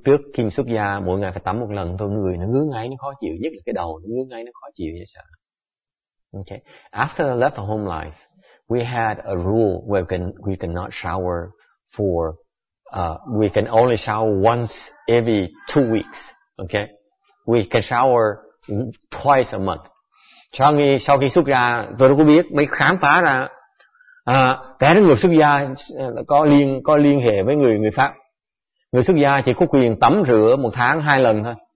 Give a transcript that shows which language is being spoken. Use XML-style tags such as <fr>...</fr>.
<vi>Trước khi xuất gia, mỗi ngày phải tắm một lần thôi. Người nó ngứa ngáy, nó khó chịu. Nhất là cái đầu nó ngứa ngáy, nó khó chịu như sao.</vi> <en>Okay. After I left the homeland, we had a rule where we can only shower once every 2 weeks. Okay. We can shower twice a month.</en> <vi>Sau khi xuất gia, tôi đâu có biết, mới khám phá ra, té đến người xuất gia có liên hệ với người Pháp. Người xuất gia chỉ có quyền tắm rửa một tháng hai lần thôi.</vi>